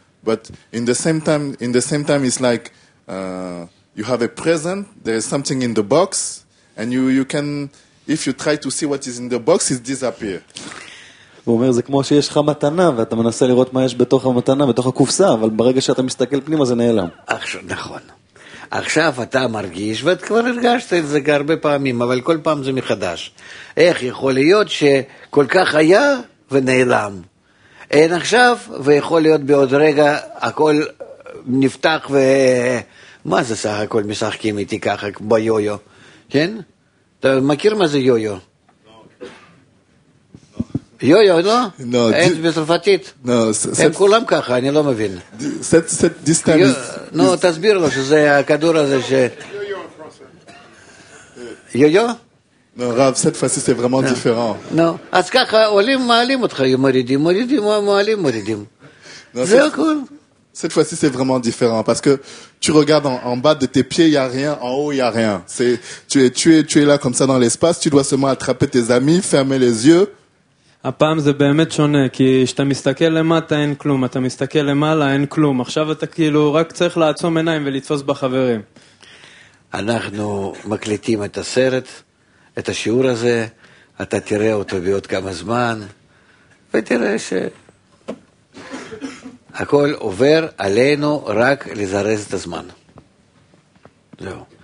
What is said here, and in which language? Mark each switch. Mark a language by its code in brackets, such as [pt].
[en] But in the same time it's like you have a present, there is something in the box and you can if you try to see what is in the box it disappear. [he] הוא אומר, זה כמו שיש לך מתנה, ואתה מנסה לראות מה יש בתוך המתנה, בתוך הקופסה, אבל ברגע שאתה מסתכל פנימה, זה נעלם. נכון. עכשיו אתה מרגיש, ואת כבר הרגשת את זה הרבה פעמים, אבל כל פעם זה מחדש. איך יכול להיות שכל כך היה ונעלם? אין עכשיו, ויכול להיות בעוד רגע, הכל נפתח ו... מה זה סך הכל משחקים איתי ככה, ביו-יו? כן? אתה מכיר מה זה יו-יו? יו יו לא? [en] No, [he] אין בצרפתית? [en] No, [he] הם כולם ככה, אני לא מבין. [en] This time is... [he] נו, תסביר לו שזה הכדור הזה ש... יו יו? [fr] No, רב, cette fois-ci c'est vraiment différent. [en] No. [he] אז ככה, עולים, מעלים אותך, מורידים, מורידים, מעלים, מורידים. זה הכל. [fr] Cette fois-ci c'est vraiment différent parce que tu regardes en bas de tes pieds il y a rien, en haut il y a rien. C'est tu es là comme ça dans l'espace, tu dois seulement attraper tes amis, fermer les yeux. [he] הפעם זה באמת שונה, כי כשאתה מסתכל למטה אין כלום, אתה מסתכל למעלה אין כלום, עכשיו אתה כאילו רק צריך לעצום עיניים ולתפוס בחברים. אנחנו מקליטים את הסרט, את השיעור הזה, אתה תראה אותו בעוד כמה זמן, ותראה שהכל עובר עלינו רק לזרז את הזמן. זהו.